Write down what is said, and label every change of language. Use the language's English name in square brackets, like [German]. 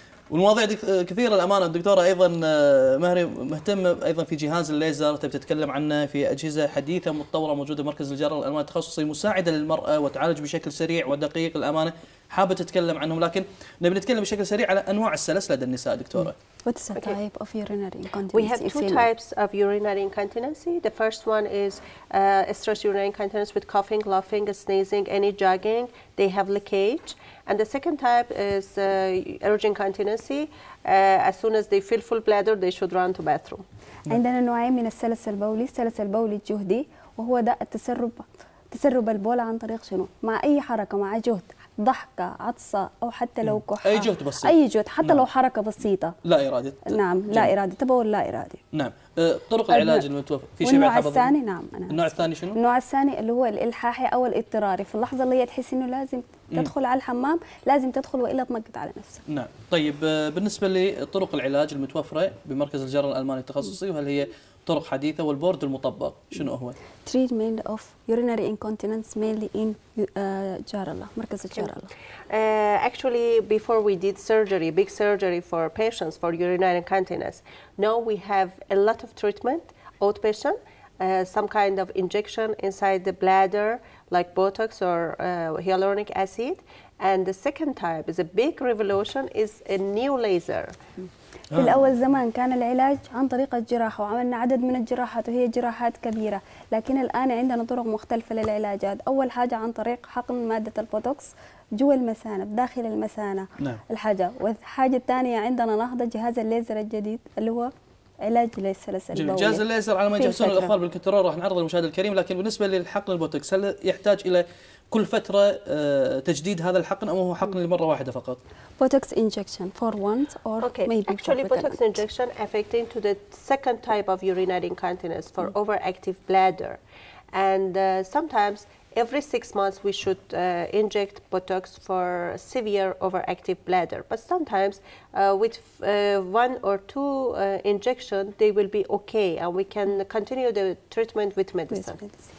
[Arabic] والمواضيع كثيرة الأمانة. الدكتورة أيضا مهري مهتم أيضا في جهاز الليزر، تبي تتكلم عنه، في أجهزة حديثة متطورة موجودة مركز الجراحة الألماني تخصصي مساعدة للمرأة وتعالج بشكل سريع ودقيق الأمانة، حابة تتكلم عنهم، لكن نبي نتكلم بشكل سريع على أنواع السلس لدى النساء دكتورة. [English] What's the type of urinary incontinence? We have two types of urinary incontinence. The first one is estrous urinary incontinence with coughing, laughing, sneezing, any jogging. They have leakage. And the second type is urge incontinence. As soon as they fill full bladder, they should run to bathroom. [Arabic] عندنا نوعين من السلس البولي. السلس البولي الجهدي، وهو ده تسرب البول عن طريق شنو؟ مع أي حركة، مع جهد. ضحكة، عطسة، أو حتى لو كحة، أي جهد بسيط، أي جهد حتى نعم. لو حركة بسيطة لا إرادة، نعم لا إرادة، تبول لا إرادة، نعم. طرق العلاج المتوفر في شيء بحفظه. النوع الثاني، نعم أنا النوع الثاني شنو؟ النوع الثاني اللي هو الإلحاحي أو الاضطراري، في اللحظة اللي هي تحس إنه لازم تدخل على الحمام لازم تدخل وإلا تنقض على نفسك. نعم. طيب بالنسبة لطرق العلاج المتوفرة بمركز الجراحة الألماني التخصصي، وهل هي طرق حديثة والبورد المطبق شنو هو؟ [English] treatment of urinary incontinence mainly in جارلا، مركز الجارلا. Actually before we did surgery, big surgery for patients for urinary incontinence, now we have a lot of treatment outpatient, some kind of injection inside the bladder like Botox or hyaluronic acid. And the second type is a big revolution, is a new laser. [Arabic] في الأول زمان كان العلاج عن طريق الجراحة، وعملنا عدد من الجراحات وهي جراحات كبيرة، لكن الآن عندنا طرق مختلفة للعلاجات. أول حاجة عن طريق حقن مادة البوتوكس جوا المثانة، بداخل المثانة، نعم. الحاجة، والحاجة الثانية عندنا نهضة جهاز الليزر الجديد اللي هو علاج للسلس البولي. جهاز الليزر على ما يجهزون الأخبار بالكترول راح نعرض للمشاهد الكريم، لكن بالنسبة للحقن البوتوكس هل يحتاج إلى كل فترة تجديد هذا الحقن أو هو حقن لمرة واحدة فقط؟ [English] Botox injection for once or okay. maybe actually Botox recurrent. injection affecting to the second type of urinary incontinence for overactive bladder, and sometimes every 6 months we should inject Botox for severe overactive bladder, but sometimes with one or two injection they will be okay and we can continue the treatment with medicine.